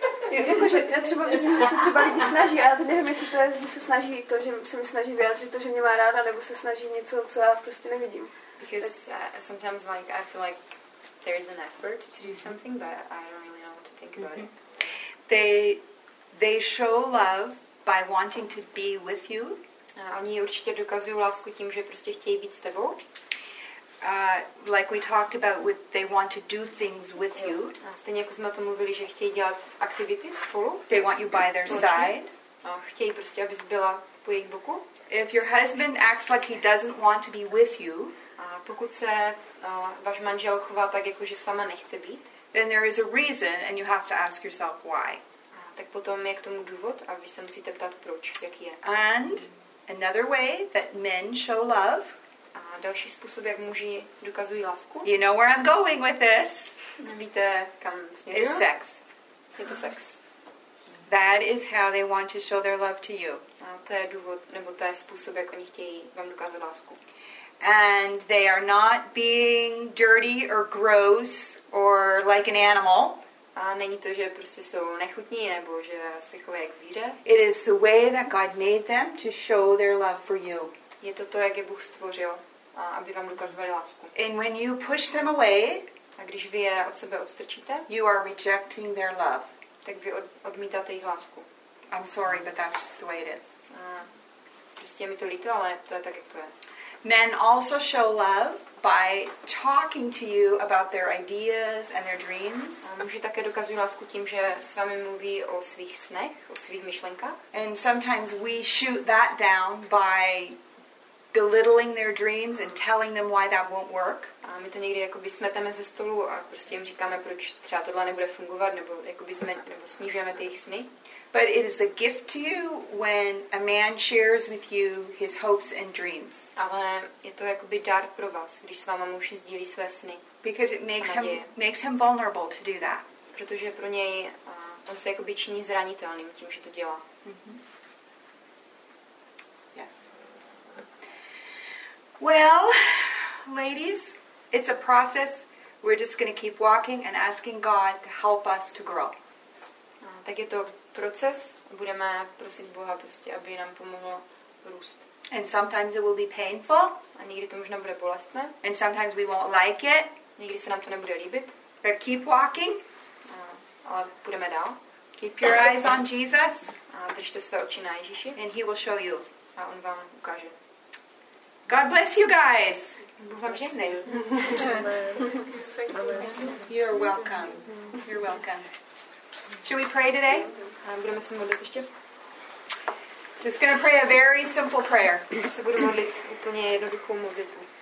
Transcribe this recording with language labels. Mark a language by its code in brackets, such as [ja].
[cs] Jakože já třeba vidím, že se třeba lidi snaží, a já nevím, jestli to je, že se snaží to, že se mi snaží vyjádřit to, že mě má ráda, nebo se snaží něco, co já prostě nevidím. [en] Because sometimes like I feel like there is an effort to do something, but I don't really know what to think about it. They show love by wanting to be with you. [cs] A oni určitě dokazují lásku tím, že prostě chtějí být s tebou. [en] Like we talked about, with they want to do things with you. [cs] Stejně jako jsme o tom mluvili, že chtějí dělat aktivity spolu. [en] They want you by their side. [cs] A chtějí prostě, abys byla po jejich boku. [en] If your husband acts like he doesn't want to be with you, [cs] a pokud se váš manžel chová tak, jako že s váma nechce být, [en] then there is a reason, and you have to ask yourself why. [cs] Tak potom je k tomu důvod, a vy se musíte ptát proč, jak je. [en] And another way that men show love. [cs] A další způsob, jak muži dokazují lásku. [en] You know where I'm going with this. [cs] Víte, kam směřuji. [en] It's sex. [cs] Je to sex. [en] That is how they want to show their love to you. [cs] A to je důvod, nebo to je způsob, jak oni chtějí vám dokázat lásku. [en] And they are not being dirty or gross or like an animal. [cs] A není to, že prostě jsou nechutní, nebo že se chovají jak zvíře. [en] It is the way that God made them to show their love for you. [cs] Je to to, jak je Bůh stvořil, aby vám dokazovali lásku. [en] And when you push them away, [cs] a když vy je od sebe odstrčíte, [en] you are rejecting their love. [cs] Tak vy odmítáte jejich lásku. [en] I'm sorry, but that's just the way it is. [cs] Prostě je mi to líto, ale to je tak, jak to je. [en] Men also show love by talking to you about their ideas and their dreams. [cs] Muži také dokazují lásku tím, že s vámi mluví o svých snech, o svých myšlenkách. [en] And sometimes we shoot that down by belittling their dreams and telling them why that won't work. [cs] A my to někdy jakoby smeteme ze stolu a prostě jim říkáme, proč třeba tohle nebude fungovat, nebo jakoby nebo snižujeme ty jejich sny. [en] But it is a gift to you when a man shares with you his hopes and dreams. [cs] Ale je to jakoby dar pro vás, když s váma muž sdílí své sny. [en] Because it makes him vulnerable to do that. [cs] Protože pro něj on se jakoby činí zranitelným tím, že to dělá. Mm-hmm. [en] Yes. Well, ladies, it's a process. We're just going to keep walking and asking God to help us to grow. [cs] Tak je to proces. Budeme prosit Boha prostě, aby nám pomohlo růst. [en] And sometimes it will be painful. [cs] A někdy to možná bude bolestné. [en] And sometimes we won't like it. [cs] Někdy se nám to nebude líbit. [en] But keep walking. [cs] Ale půjdeme dál. [en] Keep your eyes on Jesus. [cs] A držte své oči na Ježíši. [en] And he will show you. [cs] A on vám ukáže. [en] God bless you guys. [cs] Bůh vám žehnej. [en] Amen. You're welcome. You're welcome. Should we pray today? [cs] Budeme se modlit ještě. [en] Just going to pray a very simple prayer. [cs] Se budu modlit úplně jednoduchou modlitbu.